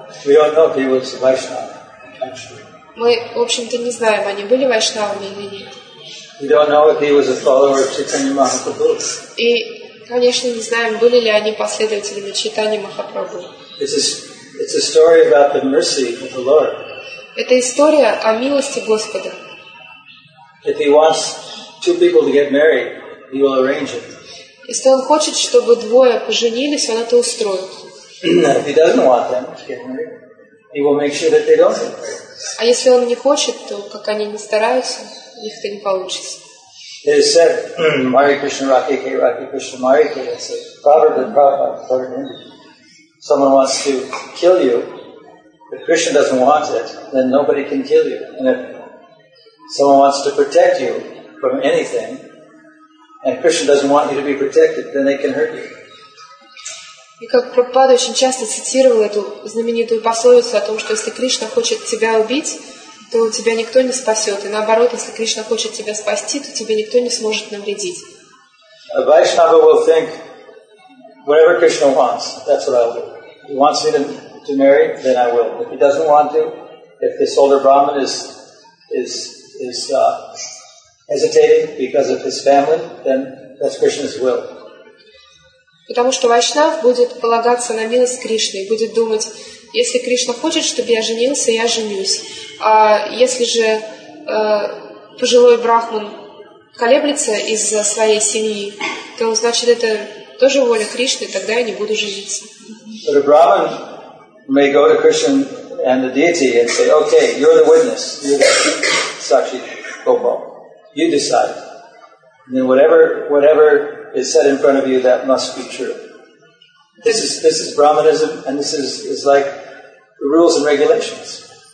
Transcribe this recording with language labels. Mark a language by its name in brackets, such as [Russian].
[English] We don't know if he was a Vaishnava, actually. [Russian] Мы, в общем-то, не знаем, они были вайшнавами или нет. [English] We don't know if he was a follower of Chaitanya Mahaprabhu. [Russian] И, конечно, не знаем, были ли они последователями Чайтаньи Махапрабху. [English] It's a story about the mercy of the Lord. [Russian] Это история о милости Господа. [English] If he wants two people to get married, he will arrange it. [Russian] Если он хочет, чтобы двое поженились, он это устроит. [English] If he doesn't want them to get married, he will make sure that they don't get married. [Russian] А если он не хочет, то как они не стараются, у них это не получится. [English] It is said, [Hindi] Mari Krishna Raki Ke Raki Krishna Mari Ke, [English] it's a proverb that Prabhupada put in India. Someone wants to kill you, but Krishna doesn't want it, then nobody can kill you. And if someone wants to protect you from anything, and Krishna doesn't want you to be protected, then they can hurt you. [Russian] И как Прабхупада очень часто цитировал эту знаменитую пословицу о том, что если Кришна хочет тебя убить, то тебя никто не спасет. И наоборот, если Кришна хочет тебя спасти, то тебе никто не сможет навредить. [English] Vaishnava will think, whatever Krishna wants, that's what I'll do. If he wants me to marry, then I will. If he doesn't want to, if this older Brahman is hesitating because of his family, then that's Krishna's will. [Russian] Потому что Вайшнав будет полагаться на милость Кришны и будет думать, если Кришна хочет, чтобы я женился, я женюсь. А если же пожилой брахман колеблется из-за своей семьи, то значит это тоже воля Кришны, тогда я не буду жениться. [English] But a brahman may go to Krishna and the deity and say, okay, you're the witness, you're the Sakshi Gopal, you decide. And then whatever is said in front of you, that must be true. This is Brahmanism, and this is like the rules and regulations.